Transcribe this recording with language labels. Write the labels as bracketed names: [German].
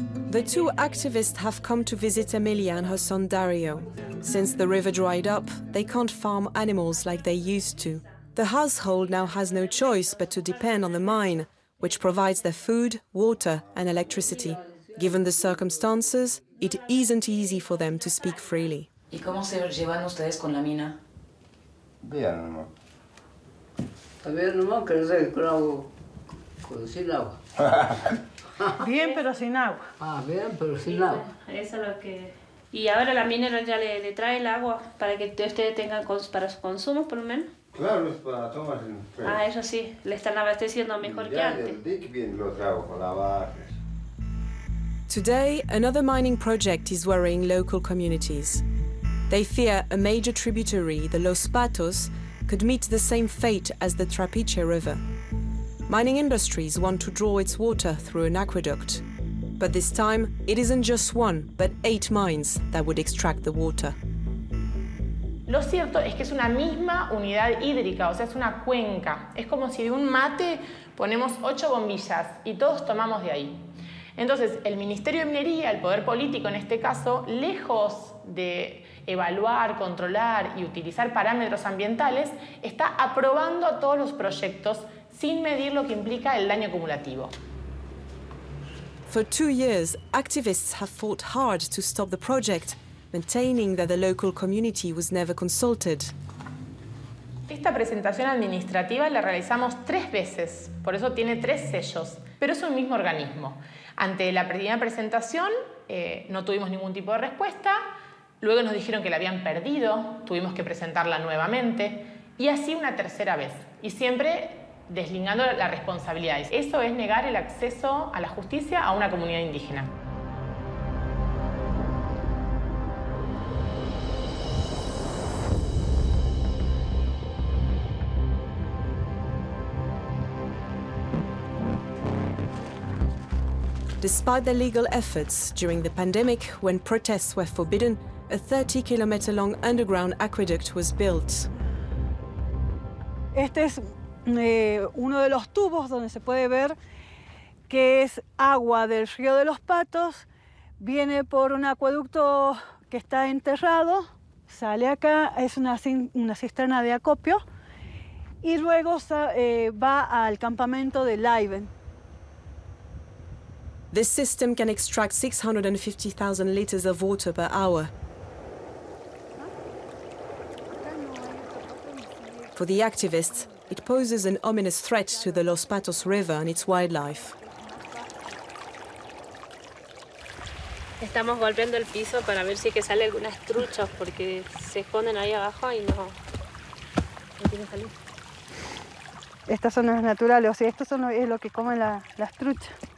[English] The two activists have come to visit Emilia and her son Dario. Since the river dried up, they can't farm animals like they used to. The household now has no choice but to depend on the mine, which provides their food, water and electricity. Given the circumstances, it isn't easy for them to speak freely. [Spanish] ¿Y cómo se llevan ustedes con la mina? Bien, nomás. Está bien, nomás, que no sé, con sin agua. Bien, pero sin agua. Ah, bien, pero sin agua. Eso es lo que... ¿Y ahora la minera ya le trae el agua para que ustedes tengan para su consumo, por lo menos? Claro, es para tomar. Pero... Ah, eso sí, le están abasteciendo mejor ya que antes. El dique bien lo trago con la barra. [English] Today, another mining project is worrying local communities. They fear a major tributary, the Los Patos, could meet the same fate as the Trapiche River. Mining industries want to draw its water through an aqueduct. But this time, it isn't just one, but eight mines that would extract the water. [Spanish] Lo cierto es que es una misma unidad hídrica, o sea, es una cuenca. Es como si de un mate Ponemos 8 bombillas y todos tomamos de ahí. Entonces, el Ministerio de Minería, el poder político en este caso, lejos de evaluar, controlar y utilizar parámetros ambientales, está aprobando a todos los proyectos sin medir lo que implica el daño acumulativo. [English] For 2 years, activists have fought hard to stop the project, maintaining that the local community was never consulted. [Spanish] Esta presentación administrativa la realizamos 3 veces, por eso tiene 3 sellos, pero es un mismo organismo. Ante la primera presentación no tuvimos ningún tipo de respuesta, luego nos dijeron que la habían perdido, tuvimos que presentarla nuevamente, y así una tercera vez, y siempre deslindando las responsabilidades. Eso es negar el acceso a la justicia a una comunidad indígena. [English] Despite the legal efforts during the pandemic, when protests were forbidden, a 30-kilometer-long underground aqueduct was built. [Spanish] Este es uno de los tubos donde se puede ver que es agua del río de los Patos. Viene por un acueducto que está enterrado, sale acá, es una cisterna de acopio, y luego va al campamento de Liven. [English] This system can extract 650,000 liters of water per hour. For the activists, it poses an ominous threat to the Los Patos River and its wildlife. [Spanish] Estamos golpeando el piso para ver si es que sale alguna estrucha porque se esconden ahí abajo y no tiene salida. Estas son las naturales, o sea, esto es lo que comen las truchas.